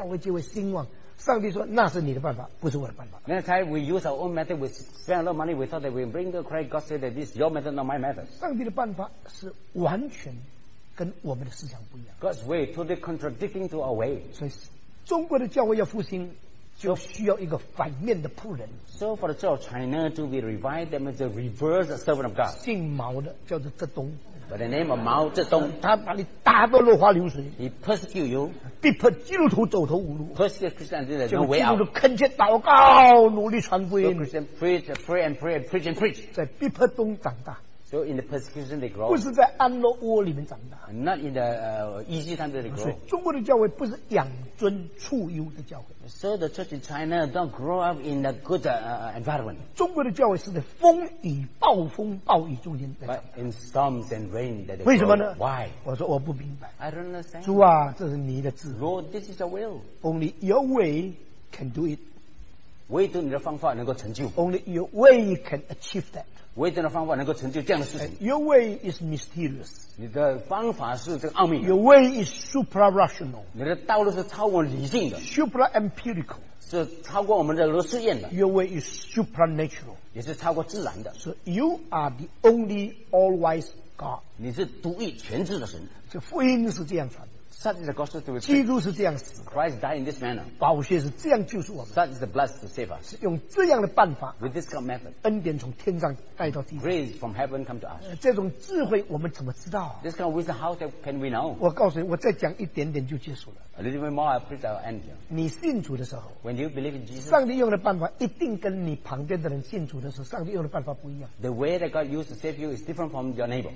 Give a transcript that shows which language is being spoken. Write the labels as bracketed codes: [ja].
[zh] 所以有一些时候，我们用我们的方法，寄很多钱，我们以为这样做教会就会兴旺。上帝说：“那是你的办法，不是我的办法。” [en] Many times we use our own method, we spend a lot of money, we thought that we bring to Christ. God said that this is your method, not my method. [zh] 上帝的办法是完全跟我们的思想不一样。 [en] God's way totally contradicting to our way. [zh] 所以，中国的教会要复兴。就需要一个反面的仆人。 [en] So for the church of China to be revived, that means the reverse servant of God. [zh] 姓毛的叫做泽东。 [en] By the name of Mao Zedong, [zh] 他把你打到落花流水。 [en] He persecute you. [zh] 逼迫基督徒走投无路。 [en] Persecute Christians, there's no way out. [zh] 基督徒恳切祷告，努力传福音。 [en] So Christians preach, pray and pray, and preach and preach. [zh] 在逼迫中长大。 [en] So in the persecution they grow. [zh] 不是在安乐窝里面长大。 [en] Not in the easy time that they grow. [zh] 中国的教会不是养尊处优的教会。 [en] So the church in China don't grow up in a good environment. [zh] 中国的教会是在风雨暴风暴雨中间在长大。 [en] But in storms and rain that they [zh] 为什么呢? [en] grow. Why? [zh] 我说我不明白。 [en] I don't understand. [zh] 主啊，这是你的旨。 [en] Lord, this is your will. Only your way can do it. [zh] 唯独你的方法能够成就。Only [en] your way can achieve that. [zh] 唯独你的方法能够成就这样的事情。 [en] Your way is mysterious. [zh] 你的方法是这个奥秘。 [en] Your way is supra-rational. [zh] 你的道路是超过理性的。 [en] Supra-empirical. [zh] 是超过我们的试验的。 [en] Your way is supernatural. [zh] 也是超过自然的。 [en] So you are the only all-wise God. [zh] 你是独一全知的神。这福音是这样传的。 [en] Such is the gospel to be [zh] preached. 基督是这样死, [en] Christ died in this manner. [zh] 宝血是这样救赎我们, [en] Such is the blood to save us. [zh] 是用这样的办法, [en] With this kind of method. [zh] 恩典从天上带到地上, [en] Grace from heaven come to us. [zh] 这种智慧我们怎么知道? [en] This kind of wisdom, how can we know? [zh] 我告诉你, 我再讲一点点就结束了。 [en] A little bit more, I preach our end. [zh] 你信主的时候, [en] When you believe in Jesus, [zh] 上帝用的办法一定跟你旁边的人信主的时候, 上帝用的办法不一样。 [en] The way that God used to save you is different from your neighbor.